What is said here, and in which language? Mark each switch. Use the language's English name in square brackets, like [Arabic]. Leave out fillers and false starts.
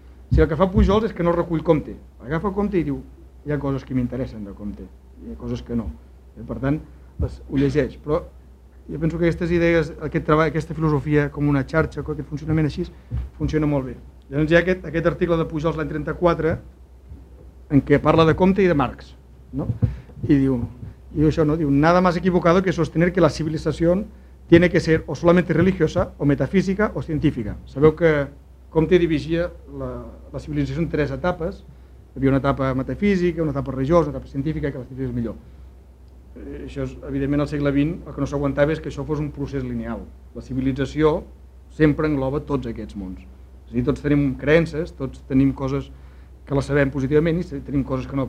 [Catalan] Si el que fa Pujols és que no recull Comte. Agafa Comte i diu, hi ha coses que m'interessen de Comte, hi ha coses que no. Per tant, ho llegeix. Però jo penso que aquestes idees, aquest treball, aquesta filosofia com una xarxa, aquest funcionament així, funciona molt bé. Llavors hi ha aquest article de Pujols l'any 34, en què parla de Comte i de Marx. No? I diu, això, no? [Spanish] Diu, nada más equivocado que sostener que la civilización tiene que ser o solamente religiosa, o metafísica, o científica. [Catalan] Sabeu que Comte dividia la civilització en tres etapes. Hi havia una etapa metafísica, una etapa religiosa, una etapa científica, que la científica és millor. Això és, evidentment, al segle XX el que no s'aguantava és que això fos un procés lineal. La civilització sempre engloba tots aquests mons. És a dir, tots tenim creences, tots tenim coses que les sabem positivament i tenim coses que no.